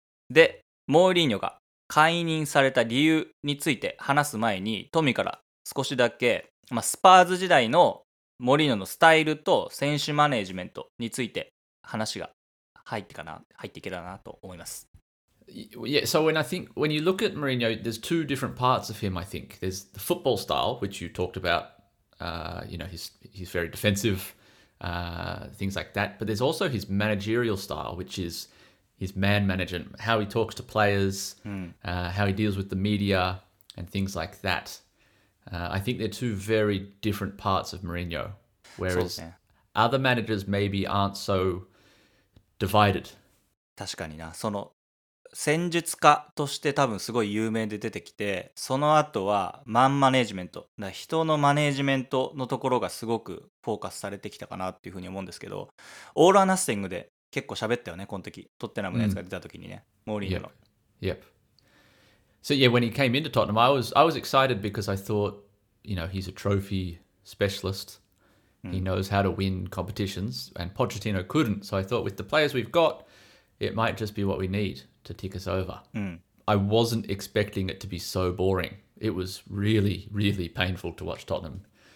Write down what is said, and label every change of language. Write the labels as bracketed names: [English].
[Japanese] で、モーリーニョが解任された理由について話す前に、トミーから少しだけ、まあ、スパーズ時代のモーリーニョのスタイルと選手マネージメントについて話が入ってかな、入っていけたらなと思います。 [English] Yeah, so when I think, when you look at Mourinho, there's two different parts of him, I think. There's the football style, which you talked about, you know, he's very defensive, things like that. But there's also his managerial style, which is his man management, how he talks to players, how he deals with the media, and things like that. I think they're two very different parts of Mourinho. Whereas other managers maybe aren't so divided. [Japanese] 確かにな。その戦術家として多分すごい有名で出てきて、その後はマンマネジメント、だ人のマネジメントのところがすごくフォーカスされてきたかなっていうふうに思うんですけど、オールアナッシングで結構喋ったよね、この時。トッテナムのやつが出た時にね、モーリーニョの。 [English] Yep. So yeah, when he came into Tottenham, I was excited because I thought, you know, he's a trophy specialist. He knows how to win competitions, and Pochettino couldn't. So I thought with the players we've got, it might just be what we need to tick us over. I wasn't expecting it to be so boring. It was really, really painful to watch Tottenham.